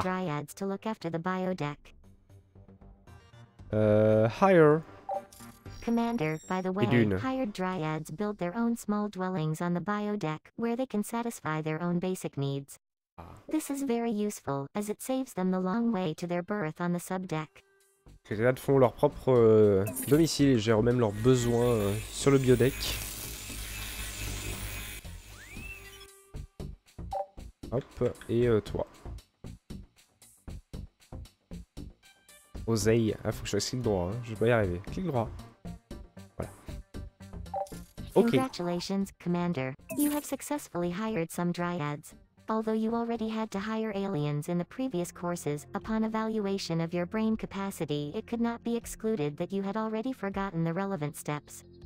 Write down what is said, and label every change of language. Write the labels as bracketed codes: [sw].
[en] Dryads to look after the biodeck. Hire. Commander, by the way, hired Dryads build their own small dwellings on the biodeck, where they can satisfy their own basic needs. This is very useful, as it saves them the long way to their berth on the subdeck. [fr] Les dryades font leur propre domicile et gèrent même leurs besoins sur le biodeck. Hop, et toi. Oseille, ah, faut que je fasse clic droit, hein. Je vais pas y arriver. Clic droit. [en] Voilà. Ok. Congratulations, Commander. You have successfully hired some dryads. Although you already had to hire aliens in the previous courses, upon evaluation of your brain capacity, it could not be excluded that you had already forgotten the relevant steps.